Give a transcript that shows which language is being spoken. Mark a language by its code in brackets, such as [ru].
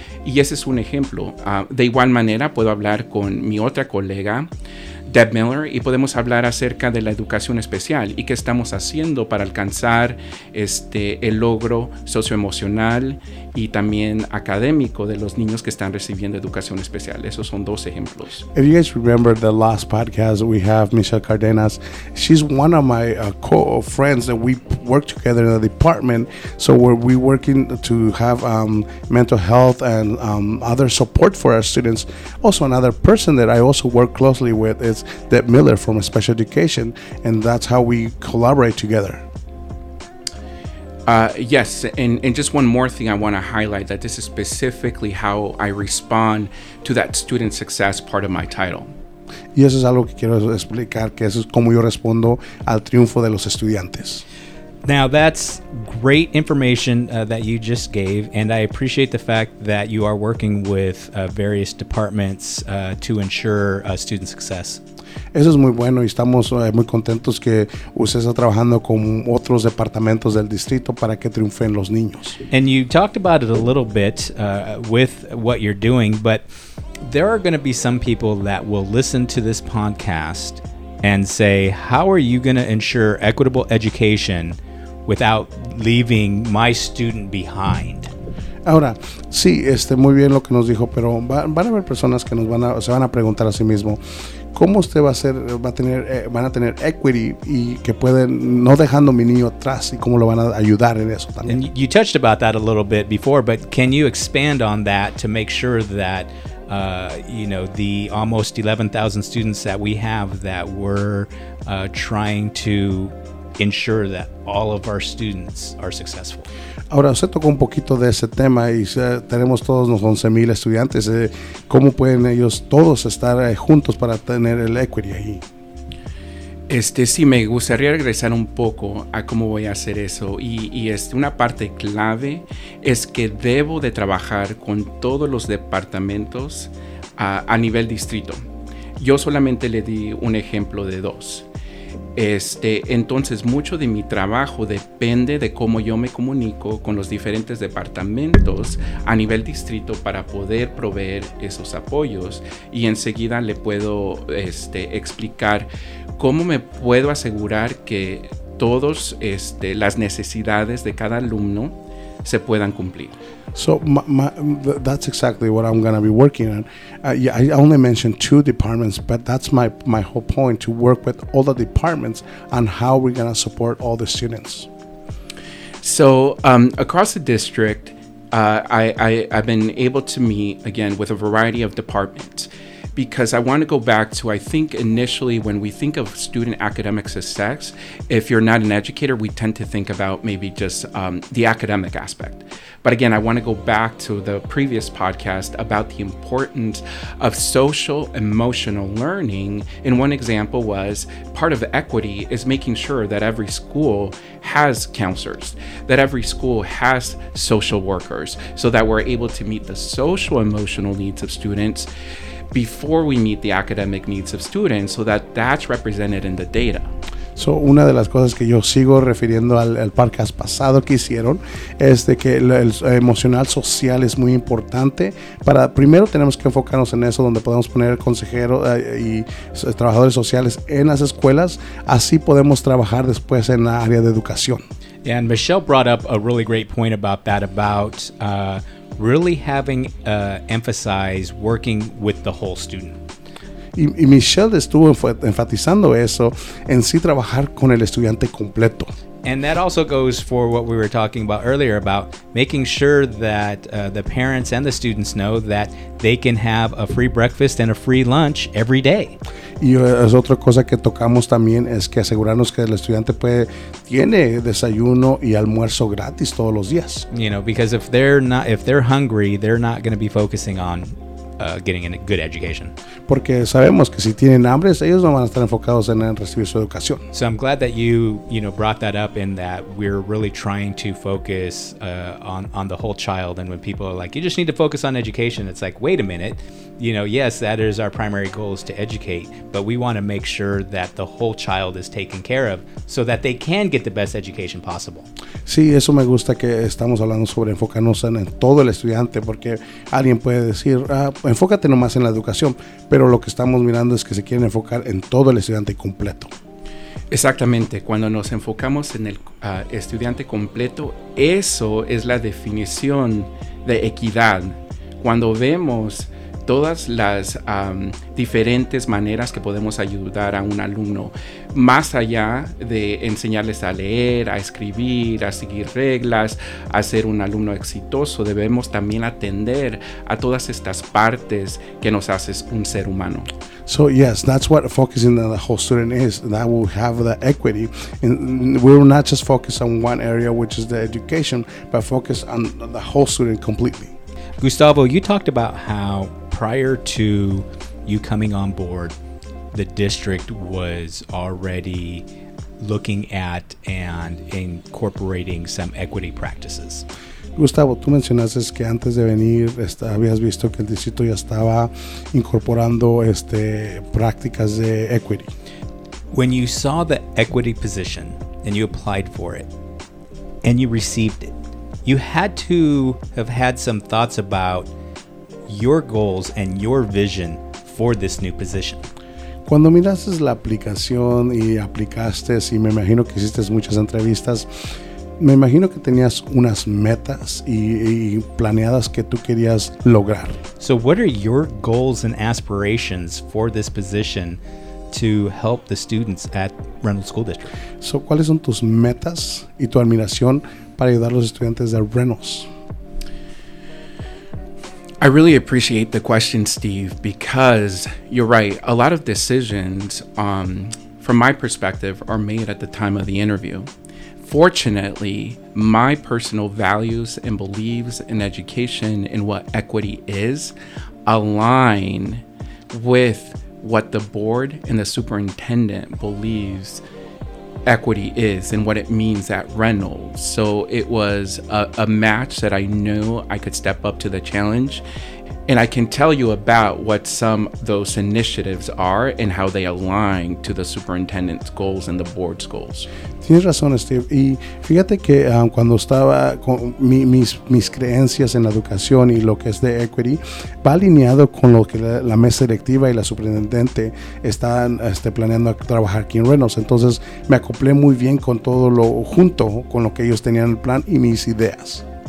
[es] Y ese es un ejemplo. De igual manera, puedo hablar con mi otra colega, Deb Miller, y podemos hablar acerca de la educación especial y qué estamos haciendo para alcanzar el logro socioemocional y también académico de los niños que están recibiendo educación especial. Esos son dos ejemplos. [en] If you guys remember the last podcast, we have Michelle Cardenas. She's one of my co-friends that we work together in the department. So we're working to have mental health and other support for our students. Also, another person that I also work closely with is Deb Miller from Special Education, and that's how we collaborate together. Yes, and just one more thing I want to highlight, that this is specifically how I respond to that student success part of my title. [es] Y eso es algo que quiero explicar, que eso es como yo respondo al triunfo de los estudiantes. [en] Now, that's great information that you just gave, and I appreciate the fact that you are working with various departments to ensure student success. [es] Eso es muy bueno y estamos muy contentos que usted está trabajando con otros departamentos del distrito para que triunfen los niños. [en] And you talked about it a little bit with what you're doing, but there are going to be some people that will listen to this podcast and say, how are you going to ensure equitable education without leaving my student behind? [es] Ahora, sí, muy bien lo que nos dijo, pero van a haber personas que se van a preguntar a sí mismo, ¿cómo usted van a tener equity y que pueden no dejando mi niño atrás y cómo lo van a ayudar en eso también? [en] And you touched about that a little bit before, but can you expand on that to make sure that the almost 11,000 students that we have that we're trying to ensure that all of our students are successful? [es] Ahora, usted tocó un poquito de ese tema y tenemos todos los 11,000 estudiantes. ¿Cómo pueden ellos todos estar juntos para tener el equity ahí? Sí, me gustaría regresar un poco a cómo voy a hacer eso. Y una parte clave es que debo de trabajar con todos los departamentos a nivel distrito. Yo solamente le di un ejemplo de dos. Entonces, mucho de mi trabajo depende de cómo yo me comunico con los diferentes departamentos a nivel distrito para poder proveer esos apoyos. Y enseguida le puedo explicar cómo me puedo asegurar que todas las necesidades de cada alumno se puedan cumplir. [en] So that's exactly what I'm going to be working on. I only mentioned two departments, but that's my whole point, to work with all the departments on how we're going to support all the students. So across the district, I've been able to meet again with a variety of departments, because I want to go back to, I think initially when we think of student academic success, if you're not an educator, we tend to think about maybe just the academic aspect. But again, I want to go back to the previous podcast about the importance of social emotional learning. And one example was, part of equity is making sure that every school has counselors, that every school has social workers, so that we're able to meet the social emotional needs of students before we meet the academic needs of students, so that's represented in the data. [es] So, una de las cosas que yo sigo refiriendo al podcast pasado que hicieron es de que el emocional social es muy importante. Para primero tenemos que enfocarnos en eso, donde podemos poner consejeros y trabajadores sociales en las escuelas. Así podemos trabajar después en la área de educación. [en] And Michelle brought up a really great point about that, about really having emphasize working with the whole student. [es] Y Michelle estuvo enfatizando eso, en sí trabajar con el estudiante completo. [en] And that also goes for what we were talking about earlier, about making sure that the parents and the students know that they can have a free breakfast and a free lunch every day. [es] Y es otra cosa que tocamos también, es que asegurarnos que el estudiante tiene desayuno y almuerzo gratis todos los días. [en] You know, because if they're hungry, they're not going to be focusing on getting a good education. [es] Porque sabemos que si tienen hambre, ellos no van a estar enfocados en recibir su educación. [en] So I'm glad that you, you know, brought that up, in that we're really trying to focus on the whole child. And when people are like, you just need to focus on education, it's like, wait a minute. You know, yes, that is our primary goal, is to educate, but we want to make sure that the whole child is taken care of so that they can get the best education possible. [es] Sí, eso me gusta, que estamos hablando sobre enfocarnos en todo el estudiante, porque alguien puede decir, enfócate nomás en la educación, pero lo que estamos mirando es que se quieren enfocar en todo el estudiante completo. Exactamente, cuando nos enfocamos en el estudiante completo, eso es la definición de equidad. Cuando vemos todas las diferentes maneras que podemos ayudar a un alumno, más allá de enseñarles a leer, a escribir, a seguir reglas, a ser un alumno exitoso, debemos también atender a todas estas partes que nos hacen un ser humano. [en] So yes, that's what focusing on the whole student is, that will have the equity, and we're not just focus on one area, which is the education, but focus on the whole student completely. Gustavo, you talked about how prior to you coming on board, the district was already looking at and incorporating some equity practices. [es] Gustavo, tú mencionaste que antes de venir habías visto que el distrito ya estaba incorporando prácticas de equity. [en] When you saw the equity position and you applied for it and you received it, you had to have had some thoughts about your goals and your vision for this new position. [es] Cuando miraste la aplicación y aplicaste, y me imagino que hiciste muchas entrevistas, me imagino que tenías unas metas y planeadas que tú querías lograr. [en] So what are your goals and aspirations for this position to help the students at Reynolds School District? [es] So ¿cuáles son tus metas y tu admiración para ayudar a los estudiantes de Reynolds? [en] I really appreciate the question, Steve, because you're right. A lot of decisions, from my perspective, are made at the time of the interview. Fortunately, my personal values and beliefs in education and what equity is align with what the board and the superintendent believes equity is and what it means at Reynolds. So it was a match that I knew I could step up to the challenge. And I can tell you about what some of those initiatives are and how they align to the superintendent's goals and the board's goals. [es] Tienes razón, Steve. Y fíjate que cuando estaba con mis creencias en la educación y lo que es de equity, va alineado con lo que la mesa directiva y la superintendente están planeando trabajar aquí en Reynolds. Entonces me acoplé muy bien con todo lo junto con lo que ellos tenían el plan y mis ideas.